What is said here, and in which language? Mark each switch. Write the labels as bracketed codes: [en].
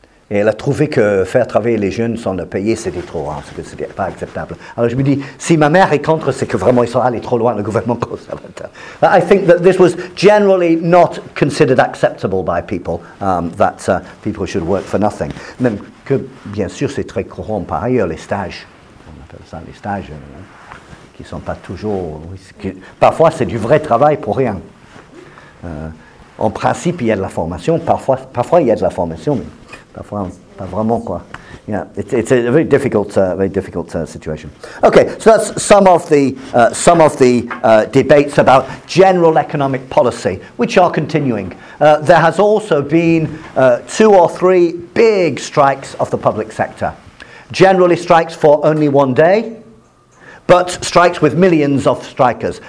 [fr] Et elle a trouvé que faire travailler les jeunes sans le payer, c'était trop, hein, c'était pas acceptable. Alors je me dis, si ma mère est contre, c'est que vraiment ils sont allés trop loin, le gouvernement conservateur. [en] But I think that this was generally not considered acceptable by people, that people should work for nothing. [fr] Même que, bien sûr, c'est très courant par ailleurs, les stages, on appelle ça les stages, hein. Qui sont pas toujours... Parfois, c'est du vrai travail pour rien. En principe, il y a de la formation. Parfois, il y a de la formation, mais parfois, pas vraiment, quoi. [en] Yeah, it's a very difficult situation. Okay, so that's some of the debates about general economic policy, which are continuing. There has also been two or three big strikes of the public sector. Generally, strikes for only one day, but strikes with millions of strikers.